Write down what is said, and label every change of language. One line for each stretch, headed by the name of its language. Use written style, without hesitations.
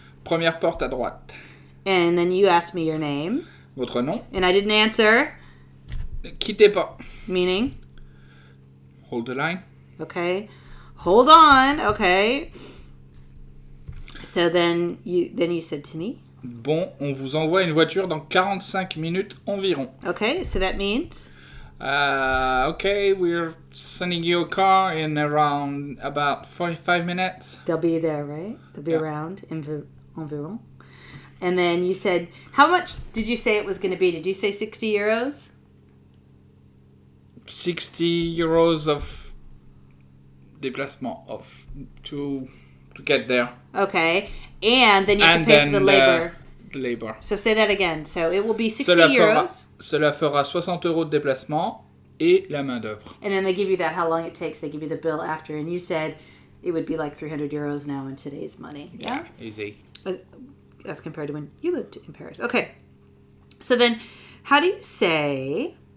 French: Première porte à droite.
English: And then you asked me your name.
French: Votre nom.
English: And I didn't answer.
French: Quittez pas.
English: Meaning? Hold the line. Okay. Hold on. Okay. So then you said to me?
French: Bon, on vous envoie une voiture dans 45 minutes environ.
English: Okay, so that means? Okay, we're sending you a car in around about 45 minutes. They'll be there, right? They'll be around in environ. And then you said, how much did you say it was going to be? Did you say 60 euros? 60 euros of déplacement, of to get there. Okay. And then you have to pay for the labor. The labor. So say that again. So it will be 60 euros.
French: Cela fera 60 euros de déplacement et la main d'œuvre.
English: And then they give you that, how long it takes. They give you the bill after. And you said it would be like 300 euros now in today's money. Yeah? Easy. As compared to when you lived in Paris. Okay. So then how do you say...